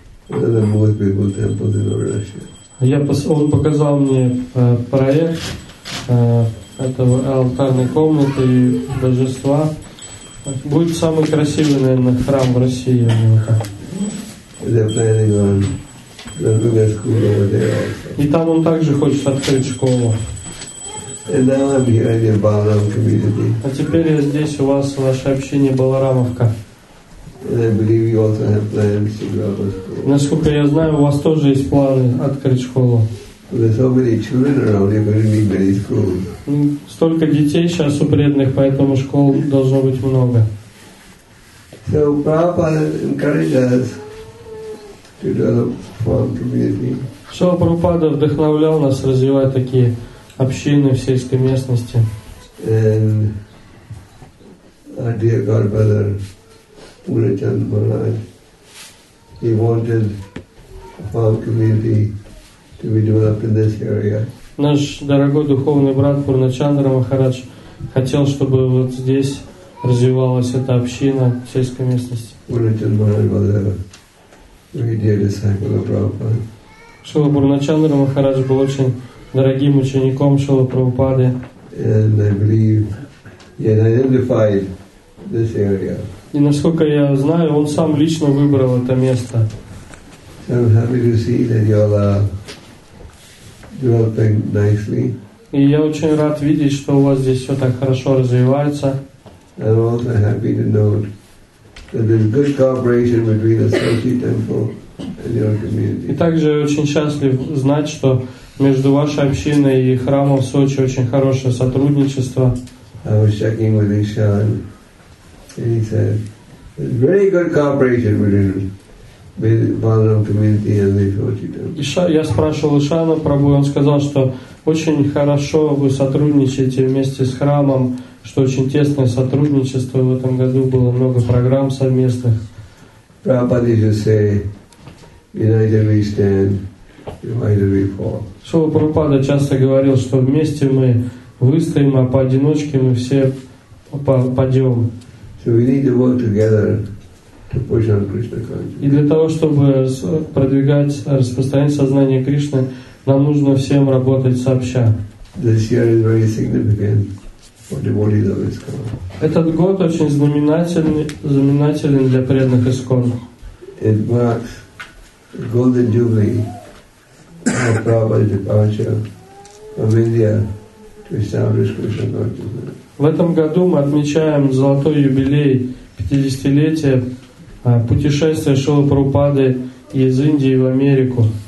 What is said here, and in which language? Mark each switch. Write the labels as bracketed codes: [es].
[ru] Он показал мне проект этого алтарной комнаты и божества. Будет самый красивый, наверное, храм в России у него там. [en] They're planning on building a school over there also. [ru] И там он также хочет открыть школу. [en] And now I'm here in the Balaram community. [ru] А теперь я здесь у вас в вашей общине Баларамовка. [en] And I believe you also have plans to grow a school. [ru] Насколько я знаю, у вас тоже есть планы открыть школу. [en] There's so many children around, you're going to need many schools. [ru] Столько детей сейчас у преданных, поэтому школ должно быть много. [en] So Prabhupada encouraged us to develop farm community. [ru] Шрила Прабхупада вдохновлял нас развивать такие общины в сельской местности. [en] And our dear godbrother, Purachand Maharaj, he wanted farm community to be developed in this area. [ru] Наш дорогой духовный брат Пурначандра Махарадж хотел, чтобы вот здесь развивалась эта община в сельской местности. [en] Purachand Maharaj was there. Very dear disciple of Prabhupada. [ru] Шрила Пурначандра Махарадж был очень дорогим учеником Шрилы Прабхупады. [en] And I believe he had identified this area. [ru] И насколько я знаю, он сам лично выбрал это место. [en] So I'm happy to see that you all are developing nicely. [ru] И я очень рад видеть, что у вас здесь все так хорошо развивается. [en] I'm also happy to note that there's good cooperation between the Sochi temple and your community. [ru] И также очень счастлив знать, что между вашей общиной и храмом в Сочи очень хорошее сотрудничество. [en] I was checking with Ishan, and he said there's very good cooperation between the Balaram community and the Sochi temple. [ru] Я спрашивал Ишана Прабу, он сказал, что очень хорошо вы сотрудничаете вместе с храмом. Что очень тесное сотрудничество в этом году было, много программ совместных. [en] Prabhupada used to say, in either we stand, in either we fall. [ru] Шрила Прабхупада часто говорил, что вместе мы выстоим, а поодиночке мы все падем. [en] So we need to work together to push on Krishna consciousness. [ru] И для того, чтобы продвигать распространение сознания Кришны, нам нужно всем работать сообща. [en] This year is very significant for devotees of ISKCON. [ru] Этот год очень знаменателен для преданных ISKCON. [en] It marks golden jubilee of Prabhupada's departure from India to establish Krishna consciousness. [ru] В этом году мы отмечаем золотой юбилей 50-летия путешествия Шрилы Прабхупады из Индии в Америку.